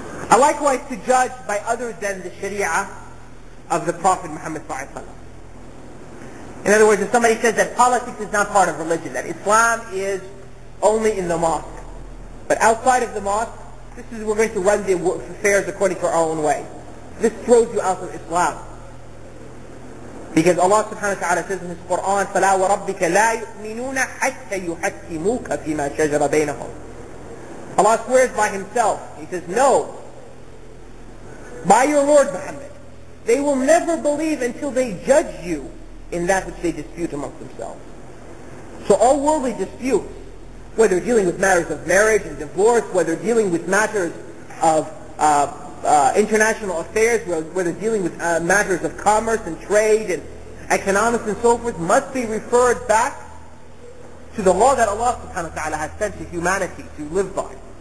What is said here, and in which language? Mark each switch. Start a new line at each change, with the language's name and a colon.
English: I likewise to judge by other than the Sharia of the Prophet Muhammad sallallahu alaihi wasallam. In other words, if somebody says that politics is not part of religion, that Islam is only in the mosque, but outside of the mosque, this is we're going to run the affairs according to our own way. This throws you out of Islam. Because Allah subhanahu wa ta'ala says in His Quran,
Arabic: فَلَا وَرَبِّكَ لَا يُؤْمِنُونَ حَتَّى يُحَكِّمُوكَ فِي مَا شَجَرَ بَيْنَهُمْ.
English: Allah swears by Himself. He says, no. By your Lord Muhammad, they will never believe until they judge you in that which they dispute amongst themselves. So all worldly disputes, whether dealing with matters of marriage and divorce, whether dealing with matters of international affairs, whether dealing with matters of commerce and trade and economics and so forth, must be referred back to the law that Allah subhanahu wa ta'ala has sent to humanity to live by.